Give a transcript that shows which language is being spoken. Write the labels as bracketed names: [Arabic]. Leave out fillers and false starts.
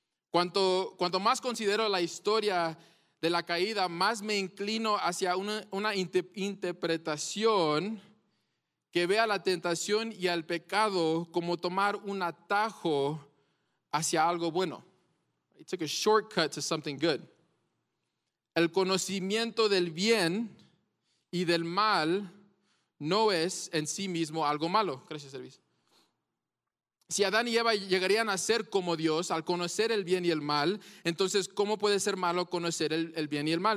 [Spanish] Cuanto más considero la historia de la caída, más me inclino hacia una interpretación que vea la tentación y al pecado como tomar un atajo hacia algo bueno. [English] It took a shortcut to something good. [Spanish] El conocimiento del bien y del mal no es en sí mismo algo malo. Gracias, Servis. Si Adán y Eva llegarían a ser como Dios al conocer el bien y el mal, entonces, ¿cómo puede ser malo conocer el bien y el mal?